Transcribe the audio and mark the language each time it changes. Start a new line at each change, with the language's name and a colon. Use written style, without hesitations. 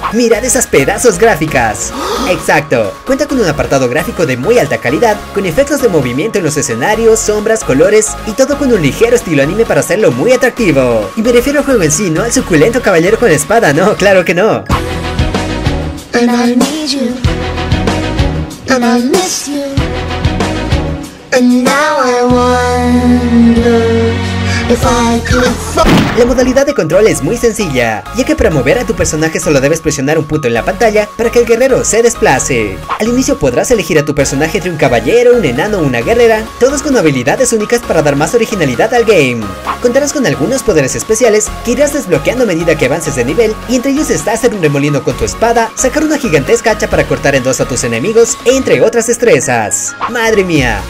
Spanish: ¡Mirad esas pedazos gráficas! ¡Exacto! Cuenta con un apartado gráfico de muy alta calidad, con efectos de movimiento en los escenarios, sombras, colores y todo con un ligero estilo anime para hacerlo muy atractivo. Y me refiero al juego en sí, no al suculento caballero con espada, no, claro que no.
English: And I need you, and I miss you, and now I wonder if I could fall.
Spanish: La modalidad de control es muy sencilla, ya que para mover a tu personaje solo debes presionar un punto en la pantalla para que el guerrero se desplace. Al inicio podrás elegir a tu personaje entre un caballero, un enano o una guerrera, todos con habilidades únicas para dar más originalidad al game. Contarás con algunos poderes especiales que irás desbloqueando a medida que avances de nivel, y entre ellos está hacer un remolino con tu espada, sacar una gigantesca hacha para cortar en dos a tus enemigos, entre otras destrezas. ¡Madre mía!